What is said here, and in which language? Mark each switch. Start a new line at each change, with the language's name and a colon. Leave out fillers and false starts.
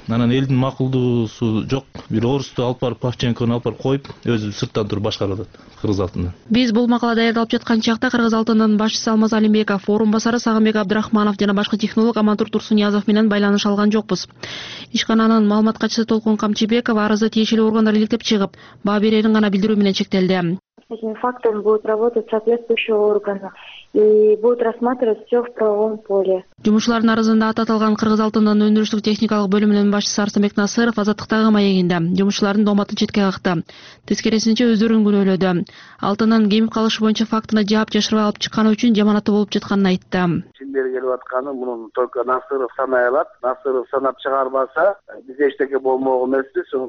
Kyrgyz: Анан элдин макулдуусу жок, бир орусту алып барып, Павченкону алып барып коюп, өзү сырттан туруп башкарып атат кыргыз алтындан. Биз бул макала даярдалып жаткан чакта кыргыз алтындын башчысы Алмаз Алимбеков, орун басары Сагынбек Абдрахманов жана башкы технолог Амантур Турсуниязов менен байланыша алган жокпуз. Ишкананын маалымат катчысы Толкун Камчыбеков арызды тиешелүү органдар иликтеп чыгып, баа берерин гана билдирүү менен чектелди.
Russian: Этим фактом будет работать соответствующие органы и будут рассматривать все в правовом поле.
Kyrgyz: Жумушчулардын арызында аталган кыргыз алтынынын өндүрүштүк техникалык бөлүмүнүн башчысы Арсамбек Насыров азаттыктагы маегинде жумушчулардын доомотун четке какты. Тескерисинче өздөрүн күнөөлөдү. Алтынын кемип калышы боюнча фактыны жаап жашырбай алып чыкканы үчүн жаманаты болуп жатканын айтты. Кимдер келип атканы мунун только Насыров санай алат. Насыров санап чыгарбаса бизде эчтеке болмок эмеспиз.